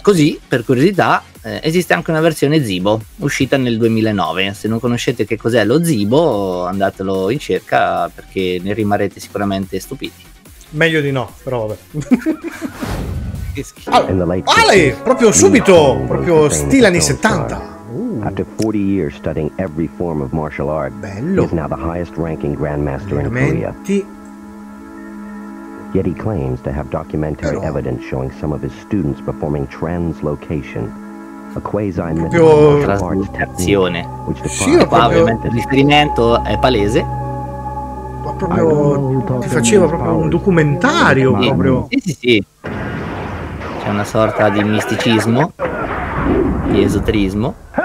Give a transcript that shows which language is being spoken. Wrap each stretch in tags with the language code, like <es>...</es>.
<it>Così, per curiosità, esiste anche una versione Zibo, uscita nel 2009. Se non conoscete che cos'è lo Zibo, andatelo in cerca perché ne rimarrete sicuramente stupiti. Meglio di no, però vabbè. Allora, Ale, proprio subito, proprio stile anni 70.</it> <en>After 40 years studying every form of martial art, bello. He's now the highest ranking grandmaster in Korea. Yet he claims to have documentary evidence showing some of his students performing translocation,</en> <it>a quasi traslazione. Sì, ovviamente il riferimento è palese. Ma proprio che faceva proprio un documentario proprio. Sì. C'è una sorta di misticismo, di esoterismo.</it>